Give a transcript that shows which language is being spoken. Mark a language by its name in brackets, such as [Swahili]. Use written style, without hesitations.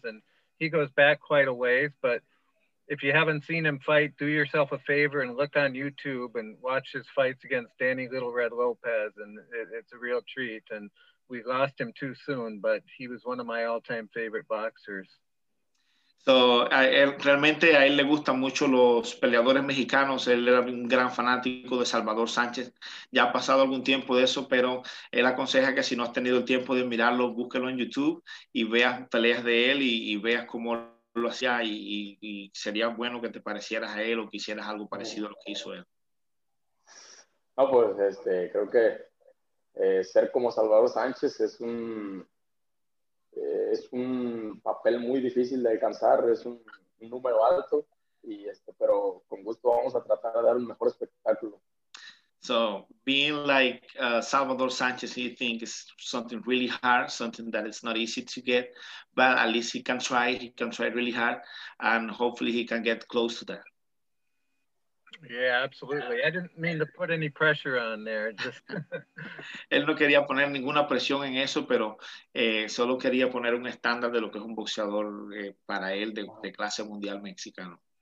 [English] And he goes back quite a ways. But if you haven't seen him fight, do yourself a favor and look on YouTube and watch his fights against Danny Little Red Lopez. And it's a real treat. And we lost him too soon, but he was one of my all-time favorite boxers. [Spanish] So, realmente a él le gustan mucho los peleadores mexicanos. Él era un gran fanático de Salvador Sánchez. Ya ha pasado algún tiempo de eso, pero él aconseja que si no has tenido el tiempo de mirarlo, búsquelo en YouTube y veas peleas de él y veas cómo lo hacía. Y sería bueno que te parecieras a él o que hicieras algo parecido a lo que hizo él. No, pues creo que ser como Salvador Sánchez es un... es un papel muy difícil de alcanzar, es un número alto, y pero con gusto vamos a tratar de dar un mejor espectáculo. [English] So, being like Salvador Sánchez, he thinks it's something really hard, something that it's not easy to get, but at least he can try really hard, and hopefully he can get close to that. Yeah, absolutely. I didn't mean to put any pressure on there. Just. [Spanish] Él no quería poner ninguna presión en eso, pero solo quería poner un estándar de lo que es un boxeador para él de clase mundial mexicano.